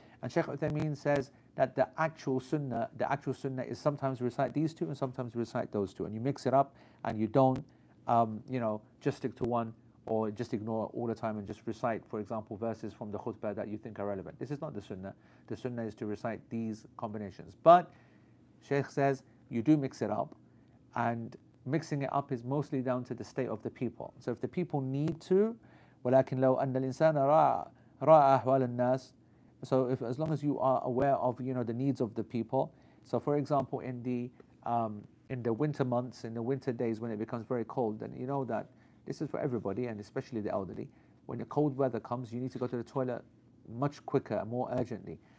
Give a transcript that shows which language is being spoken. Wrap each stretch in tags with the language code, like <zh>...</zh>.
<en>And Sheikh Uthaymeen says that the actual Sunnah is sometimes recite these two and sometimes recite those two, and you mix it up, and you don't, just stick to one or just ignore all the time and just recite, for example, verses from the khutbah that you think are relevant. This is not the Sunnah. The Sunnah is to recite these combinations. But Sheikh says you do mix it up, and mixing it up is mostly down to the state of the people. So if the people need to,</en> <ar>وَلَكِنْ لَوْ أَنَّ الْإِنسَانَ رَاءَ أَحْوَالَ النَّاسِ.</ar> <en>So if, as long as you are aware of, you know, the needs of the people. So for example, in the winter months, in the winter days when it becomes very cold, then you know that this is for everybody and especially the elderly. When the cold weather comes, you need to go to the toilet much quicker, more urgently.</en>